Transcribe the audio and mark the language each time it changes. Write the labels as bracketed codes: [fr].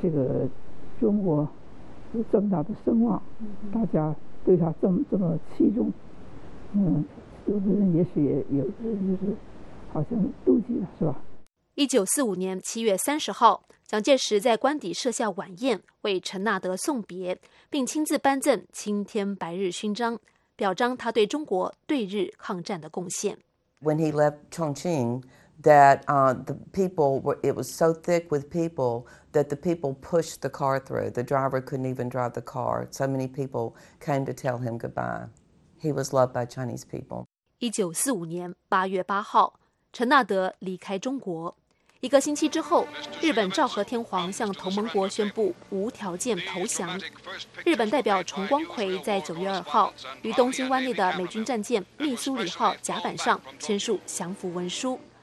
[zh] 这个中国有这么大的声望，大家对他这么器重，有的人也许也有的人就是好像妒忌了，是吧？ 1945年7月30号，蒋介石在官邸设下晚宴为陈纳德送别，并亲自颁赠青天白日勋章，表彰他对中国对日抗战的贡献。 [en] When he left Chongqing. That the people were, it was so thick with people that the people pushed the car through. The driver couldn't even drive the car. So many people came to tell him goodbye. He was loved by Chinese people. [zh] 1945年8月8号，陈纳德离开中国。一个星期之后，日本昭和天皇向同盟国宣布无条件投降。日本代表重光葵在9月2号于东京湾内的美军战舰密苏里号甲板上签署降服文书。